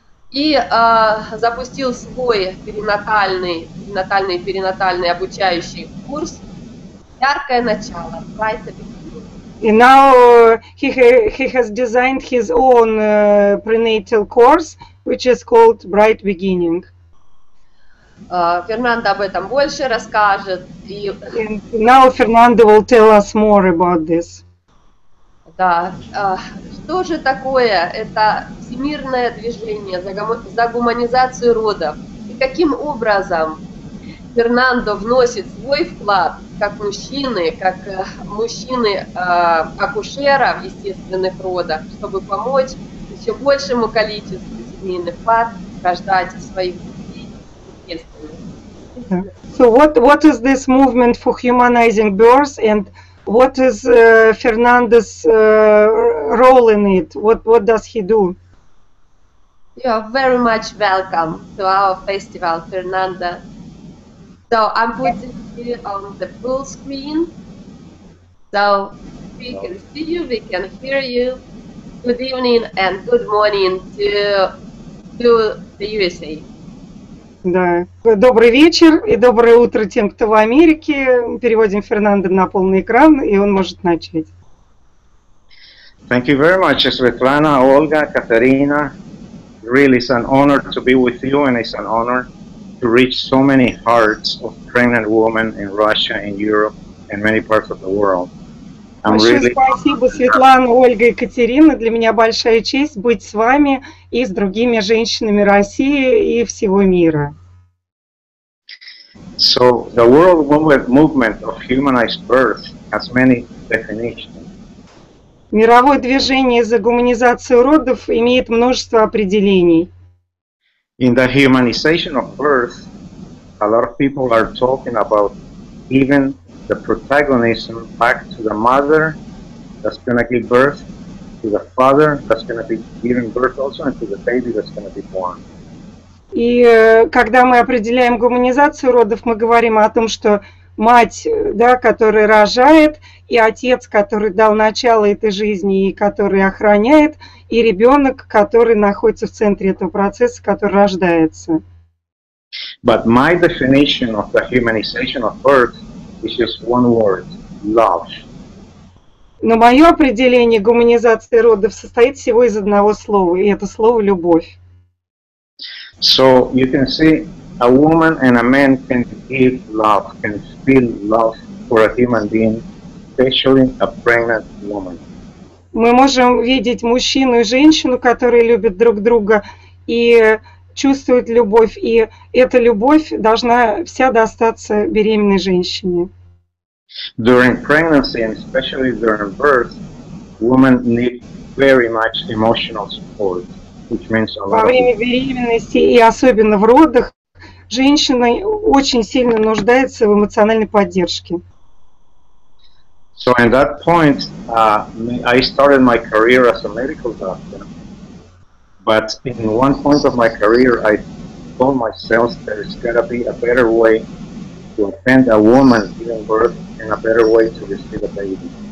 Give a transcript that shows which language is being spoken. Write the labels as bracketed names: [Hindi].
[Russian] И запустил свой перинатальный обучающий курс «Яркое начало». И [English] now he has designed his own prenatal course, which is called Bright Beginning. [Russian] Фернандо об этом больше расскажет. [English] And now Fernando will tell us more about this. [Russian] Да, что же такое это всемирное движение за гуманизацию родов? И каким образом Фернандо вносит свой вклад как мужчины акушера в естественных родах, чтобы помочь еще большему количеству семейных пар рождать своих детей естественно. [English] So what is this movement for humanizing births and what is Fernando's role in it? What does he do? You are very much welcome to our festival, Fernando. So I'm putting you on the full screen, so we can see you, we can hear you. Good evening and good morning to the USA. [Russian] Да. Добрый вечер и доброе утро тем, кто в Америке. Переводим Фернандо на полный экран, и он может начать. [English] Thank you very much, Светлана, Ольга, Катерина. Really, it's an honor to be with you, and it's an honor to reach so many hearts of pregnant women in Russia, in Europe, and many parts of the world. [Russian] Спасибо, Светлана, Ольга, Екатерина. Для меня большая честь быть с вами и с другими женщинами России и всего мира. [English] So the world movement of humanized birth has many definitions. [Russian] Мировое движение за гуманизацию родов имеет множество определений. [English] In the humanization of birth, a lot of people are talking about even the protagonism back to the mother that's going to give birth, to the father that's going to be giving birth also, and to the baby that's going to be born. [Russian] И когда мы определяем гуманизацию родов, мы говорим о том, что мать, да, которая рожает, и отец, который дал начало этой жизни и который охраняет, и ребенок, который находится в центре этого процесса, который рождается. [English] But my definition of the humanization of birth is just one word – love. [Russian] Но мое определение гуманизации родов состоит всего из одного слова, и это слово – любовь. [English] So you can see a woman and a man can give love, can feel love for a human being, especially a pregnant woman. [Russian] Мы можем видеть мужчину и женщину, которые любят друг друга и чувствуют любовь, и эта любовь должна вся достаться беременной женщине. [English] During pregnancy and especially during birth, women need very much emotional support, which means a lot. [Russian] Во время беременности и особенно в родах женщина очень сильно нуждается в эмоциональной поддержке. [English] So at that point, I started my career as a medical doctor. But in one point of my career, I told myself there's got to be a better way to attend a woman giving birth and a better way to receive a baby.